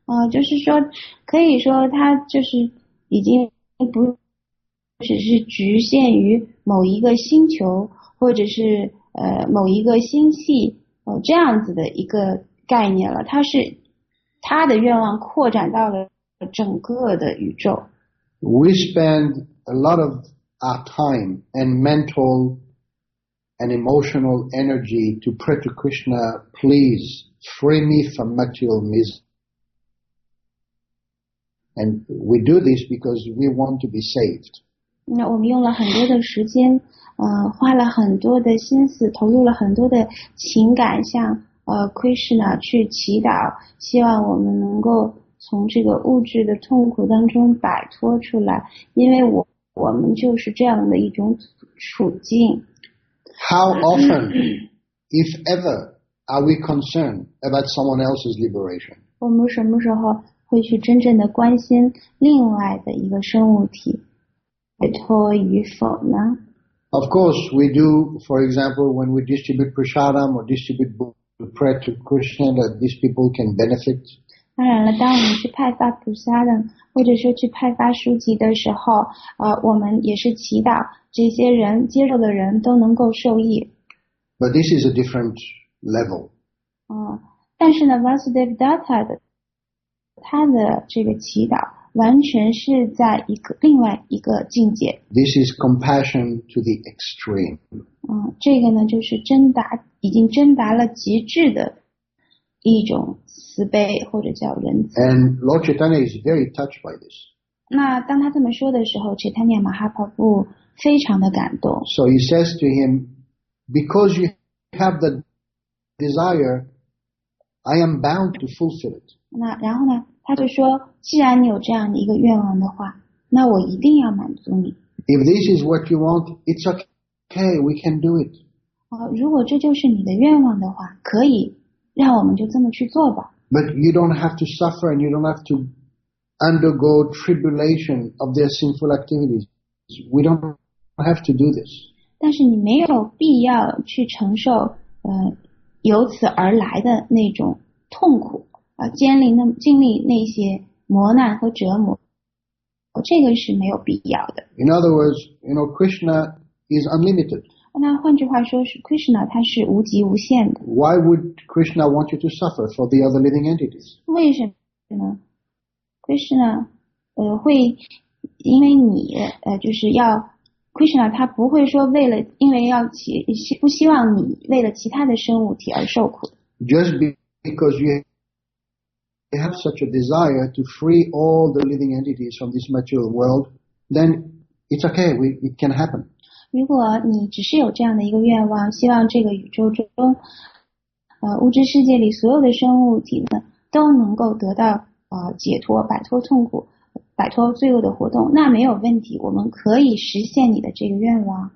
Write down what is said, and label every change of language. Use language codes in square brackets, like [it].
[zh] 就是说可以说它就是已经不只是局限于某一个星球或者是某一个星系这样子的一个概念了它是它的愿望扩展到了整个的宇宙 [en] We spend a lot of our time and mental and emotional energy to pray to Krishna, please free me from material misery. And we do this because we want to be saved. [zh] 那我们用了很多的时间花了很多的心思投入了很多的情感向Krishna 去祈祷希望我们能够从这个物质的痛苦当中摆脱出来因为我们就是这样的一种处境。 [en] How often, if ever, are we concerned about someone else's liberation? [zh] 我们什么时候会去真正的关心另外的一个生物体解脱与否呢？ [en] Of course, we do, for example, when we distribute prasadam or distribute the prayer to Krishna that these people can benefit. [zh] 当然了，当我们去派发prasadam或者说去派发书籍的时候，我们也是祈祷。这些人接受的人都能够受益。 [en] But this is a different level. [zh] 但是呢 ，Vasudevdatta 的他的这个祈祷完全是在一个另外一个境界。 [en] This is compassion to the extreme. [zh] 这个呢就是真达已经真达了极致的一种慈悲或者叫仁慈。 [en] And Lord Chaitanya is very touched by this. [zh] 那当他这么说的时候 ，Chaitanya Mahaprabhu非常的感动。 [en] So he says to him, because you have the desire, I am bound to fulfill it. [zh] 那然后呢，他就说，既然你有这样的一个愿望的话，那我一定要满足你。 [en] If this is what you want, it's okay, we can do it. [zh] 如果这就是你的愿望的话，可以，让我们就这么去做吧。 [en] But you don't have to suffer and you don't have to undergo tribulation of their sinful activities. We don't have to do this. [zh] 但是你没有必要去承受由此而来的那种痛苦经历那些磨难和折磨这个是没有必要的。 [en] In other words, you know, Krishna is unlimited. [zh] 那换句话说是 Krishna 他是无极无限的。 [en] Why would Krishna want you to suffer for the other living entities? [zh] 为什么呢 Krishna 会因为你就是要 Krishna 他不会说为了因为要不希望你为了其他的生物体而受苦 [en] Just because you have such a desire to free all the living entities from this material world then it's okay it can happen [zh] 如果你只是有这样的一个愿望希望这个宇宙中物质世界里所有的生物体呢都能够得到解脱摆脱痛苦摆脱罪恶的活动那没有问题我们可以实现你的这个愿望